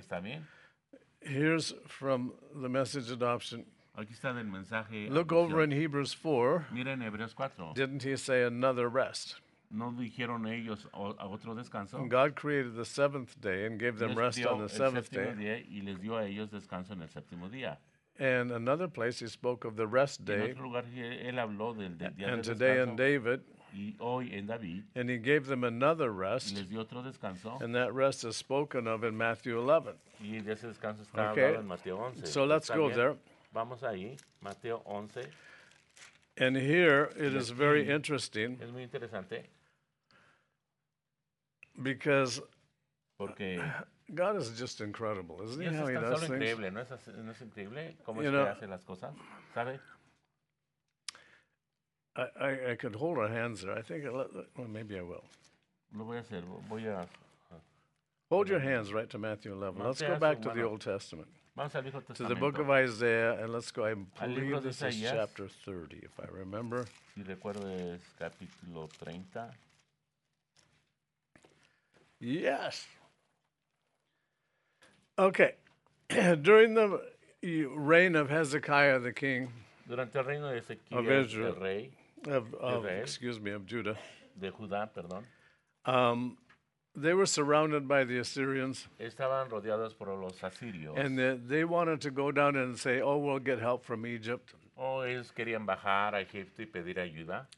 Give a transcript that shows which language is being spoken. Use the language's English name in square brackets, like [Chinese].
[Spanish] ¿Está bien? [English] Here's from the message adoption. [Spanish] Aquí está del mensaje. [English] Look adopción. Over in Hebrews 4. [Spanish] Mira en Hebreos 4. [English] Didn't he say another rest? [Spanish] ¿No dijeron ellos a otro descanso? [English] God created the seventh day and gave them rest on the seventh day. [Spanish] Día y les dio a ellos descanso en el séptimo día. [English] And another place he spoke of the rest day. [Spanish] En otro lugar, él habló del día [English] and [Spanish] de descanso, [English] today in David, [Spanish] y hoy en David. [English] And he gave them another rest. [Spanish] Les dio otro descanso, [English] and that rest is spoken of in Matthew 11. [Spanish] Y de ese descanso está okay. Hablado en Mateo 11. [English] So let's [Spanish] también, [English] go there. [Spanish] Vamos ahí, Mateo 11. [English] And here it is very interesting. [Spanish] Es muy interesante. [English] Because [Spanish] porque [English] God is just incredible, isn't he? How he does [Spanish] increíble, [English] things. [Spanish] ¿No es increíble cómo es que hace las cosas? ¿Sabe? [English] I could hold our hands there. I think, maybe I will. [Spanish] Lo voy a hacer. Voy a [English] hold your hands right to Matthew 11. Let's go back to the Old Testament. [Spanish] Vamos al Viejo Testamento. [English] To the book of Isaiah, and let's go. I believe this is chapter 30, if I remember. [Spanish] Si recuerdo es capítulo 30. [English] Yes. Okay. During the reign of Hezekiah, the king. [Spanish] Durante el reino de Ezequiel, [English] of [Spanish] Israel, el rey, [English] Of Judah. [Spanish] De Judá, perdón. [English] They were surrounded by the Assyrians. [Spanish] Estaban rodeados por los asirios. [English] And they wanted to go down and say, oh, we'll get help from Egypt. [Spanish] Oh, ellos querían bajar a Egipto y pedir ayuda.